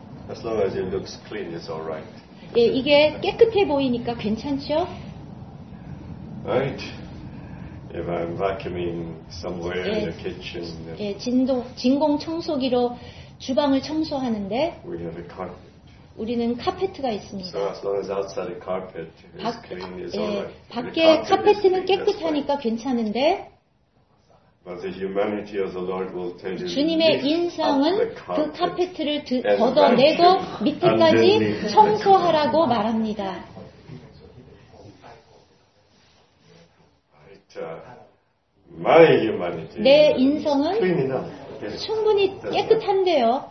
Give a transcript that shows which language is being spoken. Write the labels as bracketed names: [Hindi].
[English] As long as it looks clean, it's all right. [Korean] 예, 이게 깨끗해 보이니까 괜찮죠? [English] Right. If I'm vacuuming somewhere 예, in the kitchen. [Korean] 예, 진공 청소기로 주방을 청소하는데. [English] We have a carpet. [Korean] 우리는 카페트가 있습니다. [English] So as long as outside the carpet is clean, it's all right. [Korean] 밖에 카페트는 깨끗하니까 괜찮은데. [English] But the humanity of the Lord will tell you [Korean] 주님의 인성은 그 카페트를 걷어내고 밑에까지 청소하라고 말합니다. [English] But, my humanity [Korean] 내 인성은 충분히 깨끗한데요.